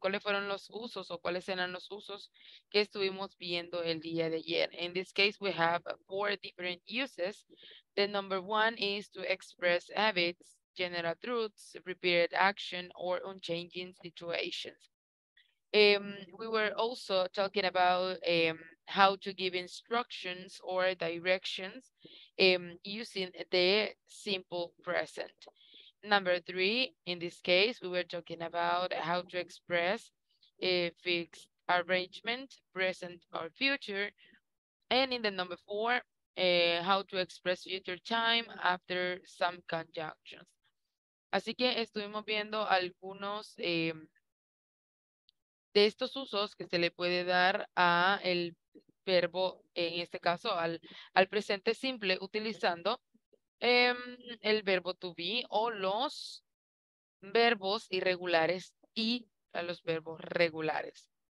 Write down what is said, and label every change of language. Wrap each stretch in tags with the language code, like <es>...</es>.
<es>¿Cuáles fueron los usos o cuáles eran los usos que estuvimos viendo el día de ayer?</es> <en>In this case, we have four different uses. The number one is to express habits, general truths, repeated action, or unchanging situations. We were also talking about how to give instructions or directions using the simple present. Number three, in this case, we were talking about how to express a fixed arrangement, present or future. And in the number four, how to express future time after some conjunctions.</en> <es>Así que estuvimos viendo algunos de estos usos que se le puede dar a el verbo, en este caso, al presente simple, utilizando el verbo to be o los verbos irregulares y a los verbos regulares.</es>